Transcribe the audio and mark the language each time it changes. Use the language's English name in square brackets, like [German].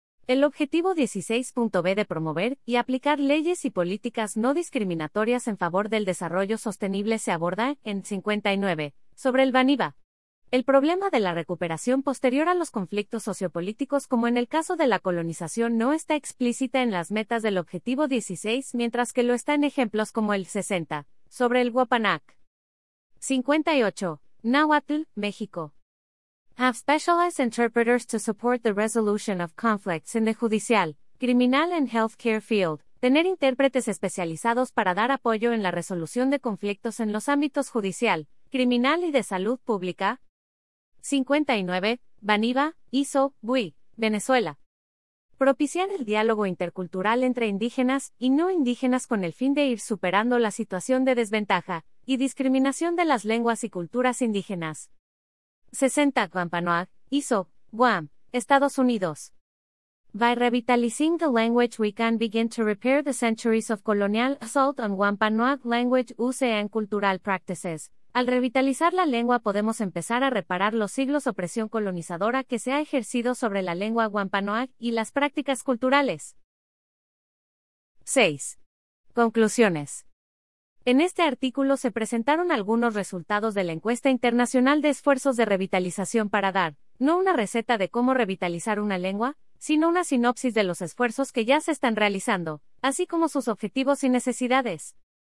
[Spanish] El objetivo 16.b de promover y aplicar leyes y políticas no discriminatorias en favor del desarrollo sostenible se aborda en 59, sobre el Baniba. El problema de la recuperación posterior a los conflictos sociopolíticos, como en el caso de la colonización, no está explícita en las metas del objetivo 16, mientras que lo está en ejemplos como el 60, sobre el Wapanak. 58. Nahuatl, México. [English] Have specialized interpreters to support the resolution of conflicts in the judicial, criminal and healthcare field. [Spanish] Tener intérpretes especializados para dar apoyo en la resolución de conflictos en los ámbitos judicial, criminal y de salud pública. 59. Baniba, ISO, BUI, Venezuela. Propiciar el diálogo intercultural entre indígenas y no indígenas con el fin de ir superando la situación de desventaja y discriminación de las lenguas y culturas indígenas. 60. Wampanoag, ISO, Guam, Estados Unidos. [English] By revitalizing the language we can begin to repair the centuries of colonial assault on Wampanoag language use and cultural practices. [Spanish] Al revitalizar la lengua podemos empezar a reparar los siglos de opresión colonizadora que se ha ejercido sobre la lengua Wampanoag y las prácticas culturales. 6. Conclusiones. En este artículo se presentaron algunos resultados de la encuesta internacional de esfuerzos de revitalización para dar, no una receta de cómo revitalizar una lengua, sino una sinopsis de los esfuerzos que ya se están realizando, así como sus objetivos y necesidades.